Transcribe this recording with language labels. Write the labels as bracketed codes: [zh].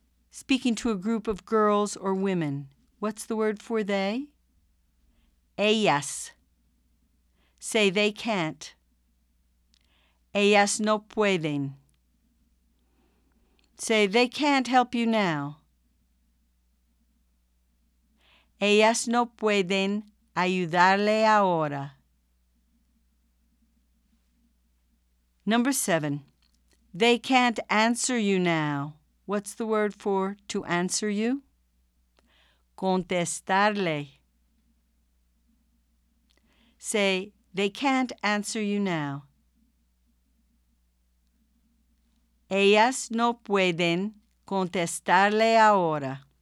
[en] Speaking to a group of girls or women. What's the word for they? Ellas. Say, they can't. [es] Ellas no pueden. [en] Say, they can't help you now. [es] Ellas no pueden ayudarle ahora. [en] Number 7. They can't answer you now. What's the word for to answer you? [es] Contestarle. [en] Say, they can't answer you now. [es] Ellas no pueden contestarle ahora.